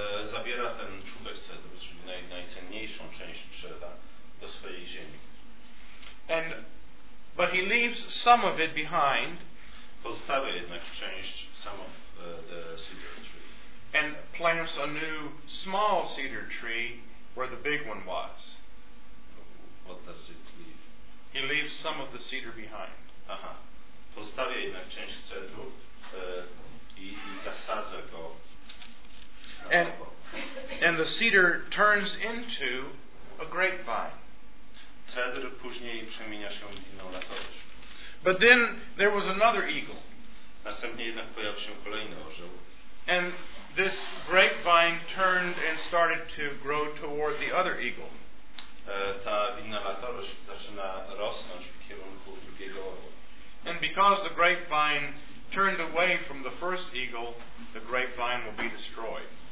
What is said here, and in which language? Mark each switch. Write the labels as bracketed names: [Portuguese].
[Polish] Zabiera ten czubek cedru, czyli najcenniejszą część drzewa, do swojej ziemi. [English] But he leaves some of it behind. [Polish] Pozostawia jednak część, [English] some of the cedar tree. And plants a new small cedar tree where the big one was. What does it leave? He leaves some of the cedar behind. Aha. [Polish] Pozostawia jednak część cedru i zasadza go. [English] And the cedar turns into a grapevine. [Polish] Cedr później przemienia się w inną latorość. [English] But then there was another eagle. [Polish] Następnie jednak pojawił się kolejny orzeł. [English] And this grapevine turned and started to grow toward the other eagle. [Polish] Ta inna latorość zaczyna rosnąć w kierunku drugiego orła. [English] And because the grapevine turned away from the first eagle, the grapevine will be destroyed.